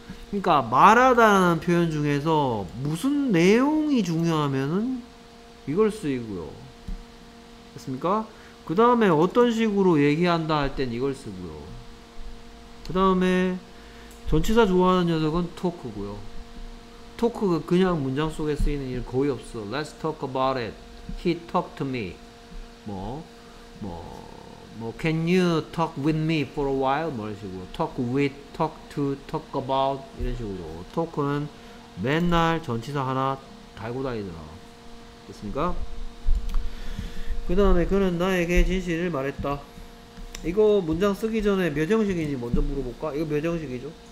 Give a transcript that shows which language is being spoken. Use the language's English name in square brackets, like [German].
[Korean] 그러니까 말하다라는 표현 중에서 무슨 내용이 중요하면은 이걸 쓰이고요. 됐습니까? 그 다음에 어떤 식으로 얘기한다 할땐 이걸 쓰고요. 그 다음에 전치사 좋아하는 녀석은 토크고요. 토크가 그냥 문장 속에 쓰이는 일 거의 없어. [English] Let's talk about it. He talked to me. 뭐, can you talk with me for a while? [Korean] 뭐 이런 식으로. [English] Talk with, talk to, talk about. [Korean] 이런 식으로. 토크는 맨날 전치사 하나 달고 다니더라. 됐습니까? 그 다음에 그는 나에게 진실을 말했다. 이거 문장 쓰기 전에 몇 형식인지 먼저 물어볼까? 이거 몇 형식이죠?